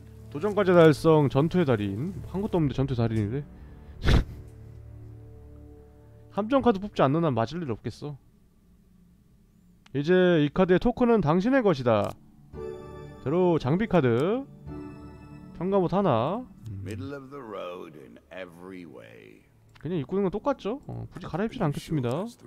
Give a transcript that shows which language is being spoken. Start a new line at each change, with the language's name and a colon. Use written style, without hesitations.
Korean: 도전 과제 달성 전투의 달인. 한 것도 없는데 전투의 달인이래. 함정 카드 뽑지 않는 한 맞을 일 없겠어. 이제 이 카드의 토큰은 당신의 것이다. 대로 장비 카드. 평가봇 하나.
English: Middle of the road in every way.
Korean: 그냥 입고 있는 건 똑같죠. 굳이 갈아입질 않겠습니다.